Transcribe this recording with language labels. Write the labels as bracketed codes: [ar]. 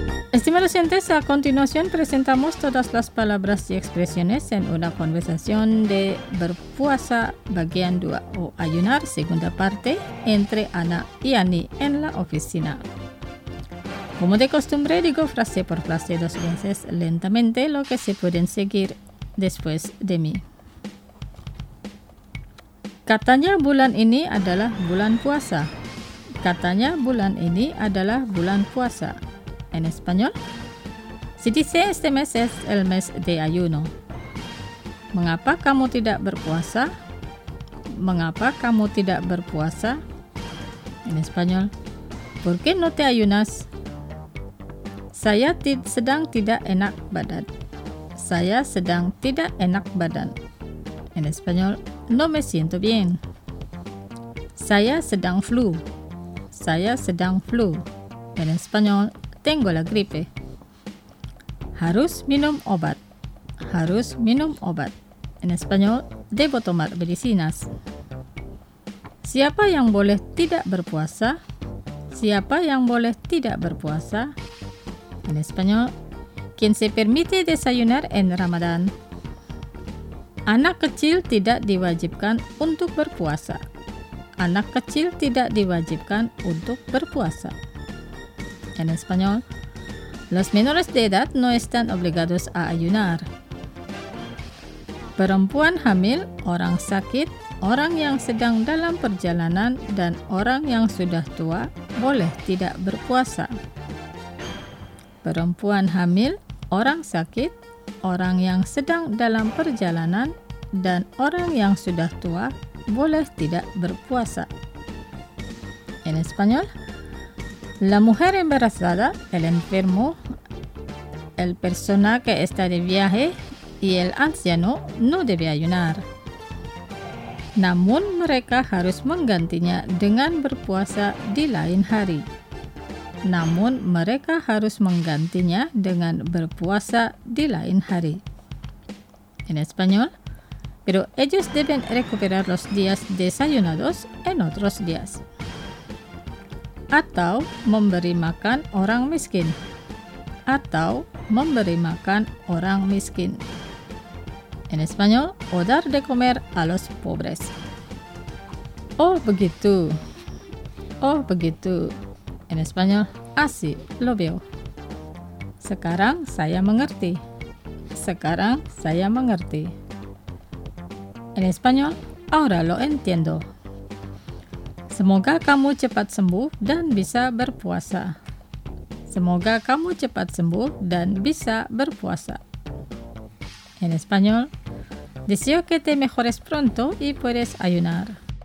[es] Estimados oyentes, a continuación presentamos todas las palabras y expresiones en una conversación de [id] Berpuasa Bagian 2 [es] o Ayunar Segunda Parte entre Ana y Ani en la oficina. Como de costumbre, digo frase por frase dos veces lentamente lo que se pueden seguir después de mí. [id] Katanya bulan ini adalah bulan puasa. Katanya bulan ini adalah bulan puasa. [es] En español, se dice este mes es el mes de ayuno. [id] Mengapa kamu tidak berpuasa? Mengapa kamu tidak berpuasa? [es] En español. ¿Por qué no te ayunas? [id] Saya sedang tidak enak badan. Saya sedang tidak enak badan. [es] En español. No me siento bien. [id] Saya sedang flu. Saya sedang flu. [es] En español. Tengo la gripe. [id] Harus minum obat. Harus minum obat. [es] En español. Debo tomar medicinas. [id] Siapa yang boleh tidak berpuasa? Siapa yang boleh tidak berpuasa? [es] En español. ¿Quién se permite desayunar en Ramadán? [id] Anak kecil tidak diwajibkan untuk berpuasa. Anak kecil tidak diwajibkan untuk berpuasa. [es] En español. Los menores de edad no están obligados a ayunar. [id] Perempuan hamil, orang sakit, orang yang sedang dalam perjalanan, dan orang yang sudah tua boleh tidak berpuasa. Perempuan hamil, orang sakit, orang yang sedang dalam perjalanan, dan orang yang sudah tua boleh tidak berpuasa. [es] En español, la mujer embarazada, el enfermo, el persona que está de viaje y el anciano no debe ayunar. [id] Namun mereka harus menggantinya dengan berpuasa di lain hari. Namun mereka harus menggantinya dengan berpuasa di lain hari. [es] En español, pero ellos deben recuperar los días desayunados en otros días. [id] Atau memberi makan orang miskin. Atau memberi makan orang miskin. [es] En español, o dar de comer a los pobres. [id] Oh, begitu. Oh, begitu. [es] En español, así, lo veo. [id] Sekarang saya mengerti. Sekarang saya mengerti. [es] En español, ahora lo entiendo. [id] Semoga kamu cepat sembuh dan bisa berpuasa. Semoga kamu cepat sembuh dan bisa berpuasa. [es] En español, deseo que te mejores pronto y puedes ayunar.